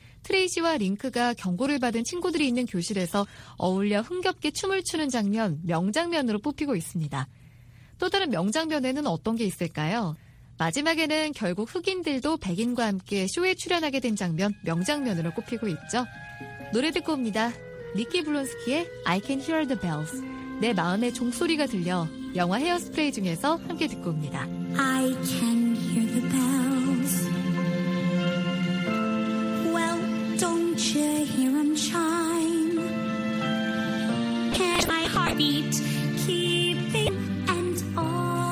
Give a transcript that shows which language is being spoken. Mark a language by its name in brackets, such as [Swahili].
[Korean] 트레이시와 링크가 경고를 받은 친구들이 있는 교실에서 어울려 흥겹게 춤을 추는 장면, 명장면으로 뽑히고 있습니다. 또 다른 명장면에는 어떤 게 있을까요? 마지막에는 결국 흑인들도 백인과 함께 쇼에 출연하게 된 장면, 명장면으로 꼽히고 있죠. 노래 듣고 옵니다. 니키 블론스키의 I Can Hear the Bells. 내 마음의 종소리가 들려 영화 헤어스프레이 중에서 함께 듣고 옵니다. [English] I can hear the bells. Well, don't you hear them chime? And my heartbeat keeping and all.